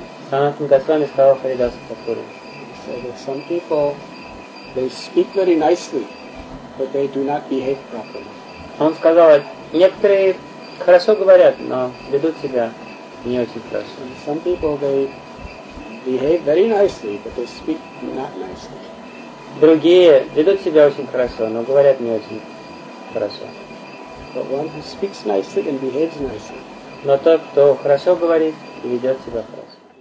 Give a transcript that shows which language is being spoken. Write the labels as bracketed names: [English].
[Russian] Санатан Госвами сказал Харидасу Такуру. [English] He said that some people they speak very nicely, but they do not behave properly. [Russian] Он сказал, некоторые хорошо говорят, но ведут себя не очень хорошо. [English] And some people they behave very nicely, but they speak not nicely. [Russian] Другие ведут себя очень хорошо, но говорят не очень хорошо. [English] But one who speaks nicely and behaves nicely. [Russian] Но тот, кто хорошо говорит и ведет себя хорошо.